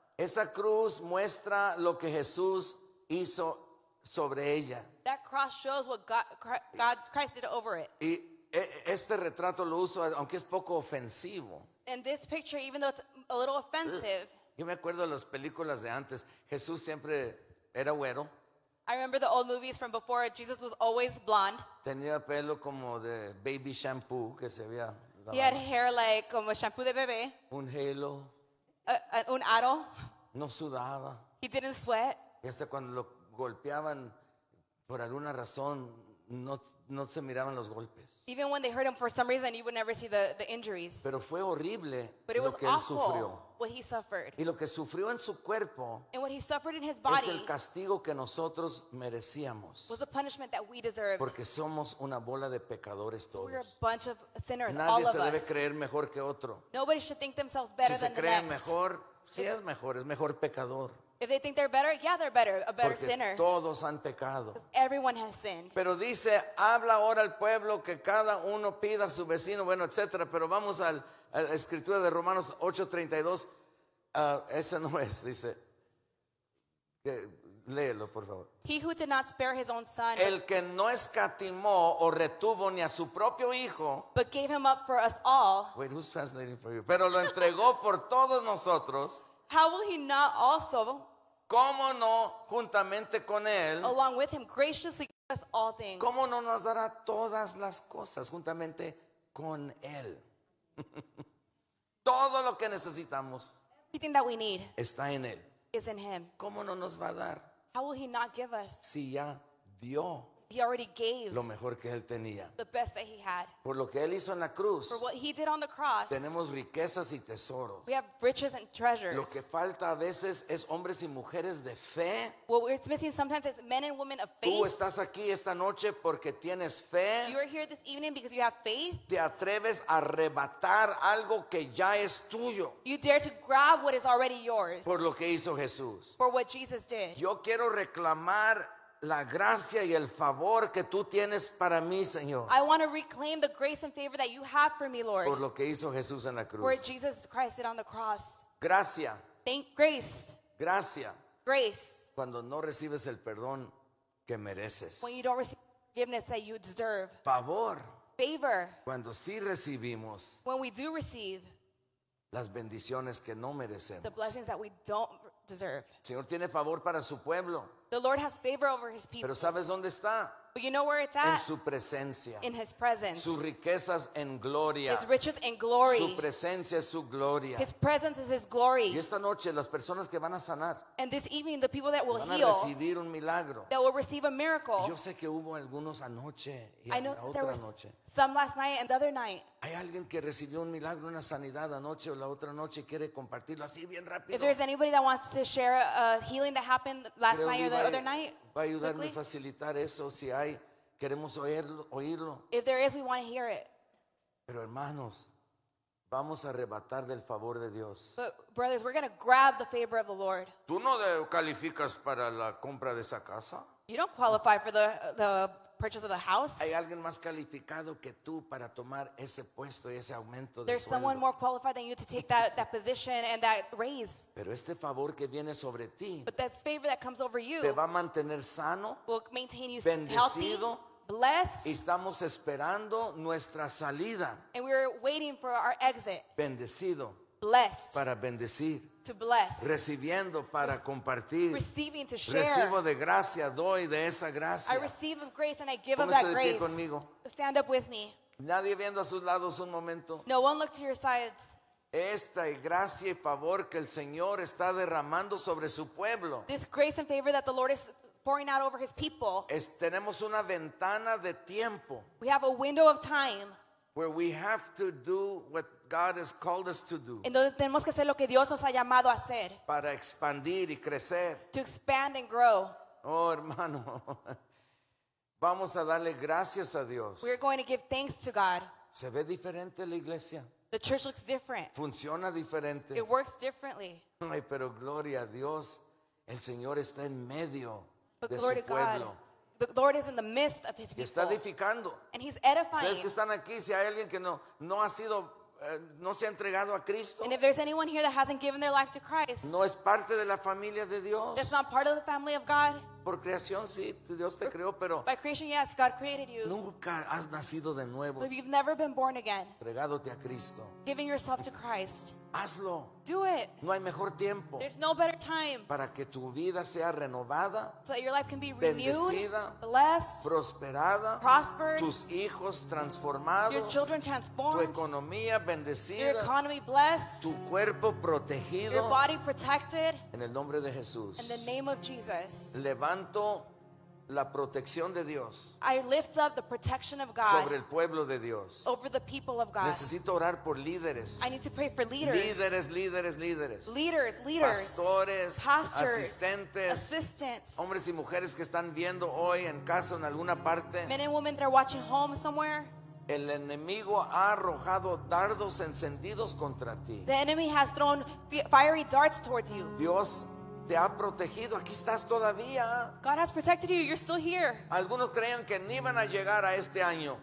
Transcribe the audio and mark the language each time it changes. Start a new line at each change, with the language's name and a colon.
Spanish: Esa cruz muestra lo que Jesús hizo sobre ella.
English: That cross shows what God Christ did over it.
Spanish: Y este retrato lo uso aunque es poco ofensivo.
English: And this picture, even though it's a little offensive.
Spanish: Yo me acuerdo de las películas de antes. Jesús siempre era güero.
English: I remember the old movies from before. Jesus was always blonde.
Spanish: Tenía pelo como de
English: baby shampoo
Spanish: que se veía.
English: He had hair like
Spanish: como shampoo de bebé. Un halo. Un aro. No sudaba.
English: He didn't sweat.
Spanish: Y hasta cuando lo golpeaban por alguna razón no se miraban los golpes.
English: Even when they hurt him for some reason, you would never see the injuries.
Spanish: Pero fue horrible lo que él sufrió.
English: What he suffered.
Spanish: Y lo que sufrió en su cuerpo,
English: and what he suffered in his body,
Spanish: es el castigo que nosotros merecíamos.
English: Was the punishment that we deserved.
Spanish: Porque somos una bola de pecadores todos.
English: So we're a bunch of sinners,
Spanish: nadie
English: all of us.
Spanish: Nadie se debe creer mejor que otro.
English: Nobody should think themselves better
Spanish: si
English: than the
Spanish: creen
English: next.
Spanish: Mejor, si es mejor, es mejor pecador.
English: If they think they're better, yeah, they're better, a better
Spanish: Porque
English: sinner.
Spanish: Todos han pecado.
English: Because everyone has sinned.
Spanish: Pero dice, habla ahora al pueblo que cada uno pida a su vecino, bueno, etcétera. Pero vamos al la escritura de Romanos 8:32, esa no es, dice. Léelo, por favor.
English: He who did not spare his own son.
Spanish: El que no escatimó o retuvo ni a su propio hijo.
English: But gave him up for us all. Wait, who's translating for you?
Spanish: Pero lo entregó por todos nosotros.
English: How will he not also?
Spanish: ¿Cómo no juntamente con él?
English: Along with him, graciously give us all things.
Spanish: ¿Cómo no nos dará todas las cosas juntamente con él? Todo lo que necesitamos,
English: everything that we need,
Spanish: está en él.
English: Is in him.
Spanish: ¿Cómo no nos va a dar?
English: How will he not give us?
Spanish: Si ya dio,
English: he already gave
Spanish: lo mejor que él tenía.
English: The best that he had.
Spanish: Por lo que él hizo en la cruz,
English: for what he did on the cross,
Spanish: tenemos riquezas y tesoros.
English: We have riches and treasures.
Spanish: Lo que falta a veces es hombres y mujeres de fe.
English: What we're missing sometimes is men and women of faith.
Spanish: Tú estás aquí esta noche porque tienes fe.
English: You are here this evening because you have faith.
Spanish: Te atreves a arrebatar algo que ya es tuyo.
English: You dare to grab what is already yours.
Spanish: Por lo que hizo Jesús.
English: For what Jesus did.
Spanish: Yo quiero reclamar la gracia y el favor que tú tienes para mí, Señor.
English: I want to reclaim the grace and favor that you have for me, Lord.
Spanish: Por lo que hizo Jesús en la cruz.
English: For Jesus Christ did on the cross.
Spanish: Gracia.
English: Grace.
Spanish: Gracia.
English: Grace.
Spanish: Cuando no recibes el perdón que mereces.
English: When you don't receive forgiveness that you deserve.
Spanish: Favor.
English: Favor.
Spanish: Cuando sí recibimos.
English: When we do receive.
Spanish: Las bendiciones que no merecemos.
English: The blessings that we don't deserve.
Spanish: Señor tiene favor para su pueblo.
English: The Lord has favor over his people.
Spanish: Pero sabes dónde está.
English: But you know where it's at.
Spanish: En su presencia.
English: In his presence.
Spanish: Sus riquezas en gloria.
English: His riches in glory.
Spanish: Su presencia es su gloria.
English: His presence is his glory.
Spanish: Y esta noche las personas que van a sanar.
English: And this evening the people that will
Spanish: van
English: heal.
Spanish: Van a recibir un milagro.
English: That will receive a miracle.
Spanish: Yo sé que hubo algunos anoche y
English: I know
Spanish: la
English: there
Spanish: otra
English: was
Spanish: noche.
English: Some last night and the other night.
Spanish: Hay alguien que recibió un milagro, una sanidad anoche o la otra noche y quiere compartirlo así bien rápido.
English: If there's anybody that wants to share a healing that happened last
Spanish: creo
English: night or the other night.
Spanish: Va a ayudarme quickly a facilitar eso si hay. Queremos oírlo.
English: If there is, we want to hear it.
Spanish: Pero hermanos, vamos a arrebatar del favor de Dios.
English: But brothers, we're going to grab the favor of the Lord.
Spanish: ¿Tú no calificas para la compra de esa casa?
English: You don't qualify for the purchase of the house.
Spanish: ¿Hay alguien más calificado que tú para tomar ese puesto y ese aumento de
English: There's someone more qualified than you to take that position and that raise.
Spanish: Pero este favor que viene sobre ti,
English: but that favor that comes over you,
Spanish: te va a mantener sano,
English: will maintain you
Spanish: bendecido,
English: healthy, blessed.
Spanish: Y estamos esperando nuestra salida.
English: And we're waiting for our exit.
Spanish: Bendecido.
English: Blessed.
Spanish: Para bendecir.
English: To bless.
Spanish: Recibiendo para compartir.
English: Receiving to share.
Spanish: Recibo de gracia, doy de esa gracia.
English: I receive of grace and I give of that grace.
Spanish: Conmigo.
English: Stand up with me.
Spanish: Nadie viendo a sus lados un momento.
English: No one look to your sides.
Spanish: Esta gracia y favor que el Señor está derramando sobre su pueblo.
English: This grace and favor that the Lord is pouring out over his people.
Spanish: Tenemos una ventana de tiempo.
English: We have a window of time. Where we have to do what God has called us to do.
Spanish: En donde tenemos que hacer lo que Dios nos ha llamado a hacer. Para expandir y crecer.
English: To expand and grow.
Spanish: Oh, hermano. Vamos a darle gracias a Dios.
English: We are going to give thanks to God.
Spanish: Se ve diferente la iglesia.
English: The church looks different.
Spanish: Funciona diferente.
English: It works differently.
Spanish: Ay, pero gloria a Dios. El Señor está en medio
English: but
Spanish: de su pueblo.
English: God. The Lord is in the midst of his people.
Spanish: Está edificando.
English: And he's edifying.
Spanish: ¿Sabes que están aquí? Si hay alguien que no ha sido, no se ha entregado a Cristo.
English: And if there's anyone here that hasn't given their life to Christ.
Spanish: No es parte de la familia de Dios.
English: That's not part of the family of God.
Spanish: Por creación, sí, Dios te creó, pero
English: by creation, yes, God created you.
Spanish: Nunca has nacido de nuevo.
English: But you've never been born again.
Spanish: Entregándote a Cristo.
English: Giving yourself to Christ.
Spanish: Hazlo.
English: Do it.
Spanish: No hay mejor tiempo.
English: There's no better time.
Spanish: Para que tu vida sea renovada.
English: So that your life can be renewed.
Spanish: Bendecida.
English: Blessed.
Spanish: Prosperada.
English: Prospered.
Spanish: Tus hijos transformados.
English: Your children transformed.
Spanish: Tu economía bendecida.
English: Your economy blessed.
Spanish: Tu cuerpo protegido.
English: Your body protected.
Spanish: En el nombre de Jesús.
English: In the name of Jesus.
Spanish: Levanto la protección de Dios.
English: I lift up the protection of God.
Spanish: Sobre el pueblo de Dios.
English: Over the people of God.
Spanish: Necesito orar por líderes.
English: I need to pray for leaders.
Spanish: Líderes, líderes, líderes.
English: Leaders, leaders.
Spanish: Pastores,
English: pastors,
Spanish: asistentes,
English: assistants.
Spanish: Hombres y mujeres que están viendo hoy en casa o en alguna parte.
English: Men and women that are watching home somewhere.
Spanish: El enemigo ha arrojado dardos encendidos contra ti.
English: The enemy has thrown fiery darts towards you.
Spanish: Dios te ha protegido, aquí estás todavía.
English: God has protected you, you're still here.
Spanish: Algunos creían que ni iban a llegar a este año.